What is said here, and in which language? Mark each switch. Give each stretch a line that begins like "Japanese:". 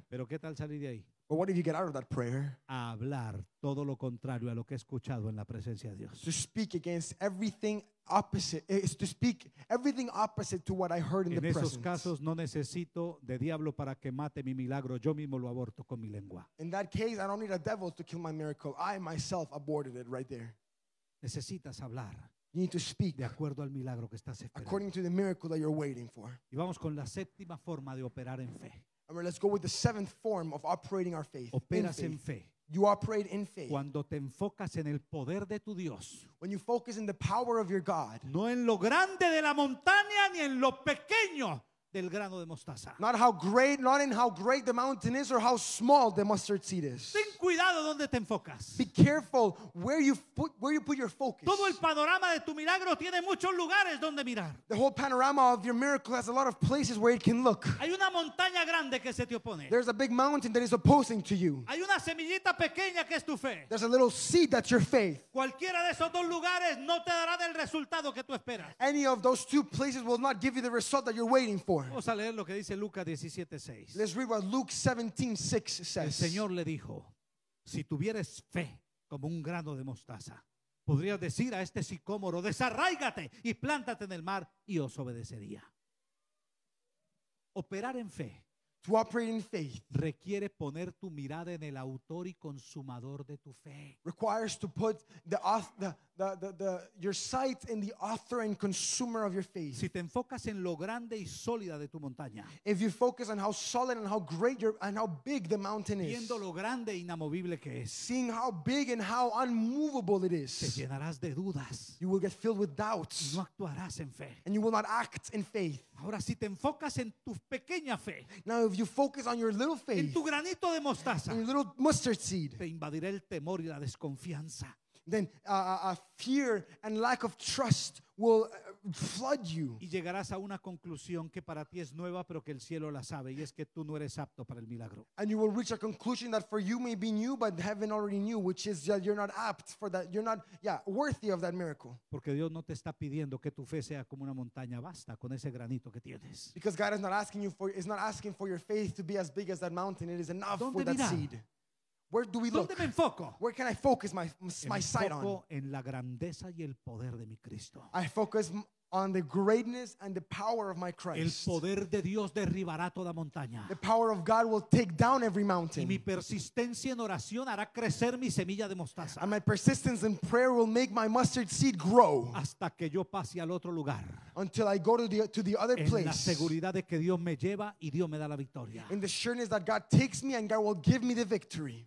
English: But what if you get out of that prayer to speak against everything opposite, is to speak everything opposite to what I heard in the presence.
Spanish: En esos casos no necesito de diablo para que mate mi milagro, yo mismo lo aborto con mi lengua.
English: In that case, I don't need a devil to kill my miracle. I myself aborted it right there.
Spanish: Necesitas hablar.
English: You need to speak
Spanish: de acuerdo al milagro que estás esperando.
English: According to the miracle that you're waiting for.
Spanish: Y vamos con la séptima forma de operar en fe.
English: Remember, let's go with the seventh form of operating our faith.
Spanish: Operas en fe.
English: You operate in faith.
Spanish: Cuando te enfocas en el poder de tu Dios.
English: When you focus in the power of your God.
Spanish: No en lo grande de la montaña ni en lo pequeño del grano de mostaza.
English: Not in how great the mountain is or how small the mustard seed is.
Spanish: Ten cuidado donde te enfocas.
English: Be careful where you put your focus.
Spanish: Todo el panorama de tu milagro tiene muchos lugares donde mirar.
English: The whole panorama of your miracle has a lot of places where it can look.
Spanish: Hay una montaña grande que se te opone.
English: There's a big mountain that is opposing to you.
Spanish: Hay una semillita pequeña que es tu fe.
English: There's a little seed that's your faith.
Spanish: Cualquiera de esos dos lugares no te dará del resultado que tú esperas.
English: Any of those two places will not give you the result that you're waiting for.
Spanish: Vamos a leer lo que dice Lucas 17:6.
English: Let's read what Luke 17:6 says.
Spanish: El Señor le dijo, si tuvieras fe como un grano de mostaza, podrías decir a este sicómoro, desarráigate y plántate en el mar y os obedecería. Operar en fe.
English: To operate in faith.
Spanish: Requiere poner tu mirada en el autor y consumador de tu fe.
English: Requires to put your sight in the author and consumer of your faith.
Spanish: Si te enfocas en lo grande y sólida de tu montaña.
English: If you focus on how solid and how great and how big the mountain is.
Spanish: Viendo lo grande e inamovible que es.
English: Seeing how big and how unmovable it is.
Spanish: Te llenarás de dudas.
English: You will get filled with doubts.
Spanish: No actuarás en fe.
English: And you will not act in faith.
Spanish: Ahora si te enfocas en tu pequeña fe.
English: Now if you focus on your little faith.
Spanish: En tu granito de mostaza.
English: In your little mustard seed.
Spanish: Te invadirá el temor y la desconfianza.
English: Then fear and lack of trust will flood you.
Spanish: Y llegarás a una conclusión que para ti es nueva, pero que el cielo la sabe, y es que tú no eres apto para el milagro.
English: And you will reach a conclusion that for you may be new, but heaven already knew, which is that you're not apt for that. You're not, worthy of that miracle.
Spanish: Porque Dios no te está pidiendo que tu fe sea como una montaña, basta con ese granito que tienes.
English: Because God is not asking you for, is not asking for your faith to be as big as that mountain. It is enough for that seed. Where do we look?
Spanish: ¿Dónde me enfoco?
English: Where can I focus my sight on?
Spanish: Enfoco en la grandeza y el poder de mi Cristo.
English: I focus on the greatness and the power of my Christ.
Spanish: El poder de Dios derribará toda montaña.
English: The power of God will take down every mountain.
Spanish: Y mi persistencia en oración hará crecer mi semilla de mostaza.
English: And my persistence in prayer will make my mustard seed grow.
Spanish: Hasta que yo pase al otro lugar.
English: Until I go to the other place.
Spanish: En la seguridad de que Dios me lleva y Dios me da la victoria.
English: In the sureness that God takes me and God will give me the victory.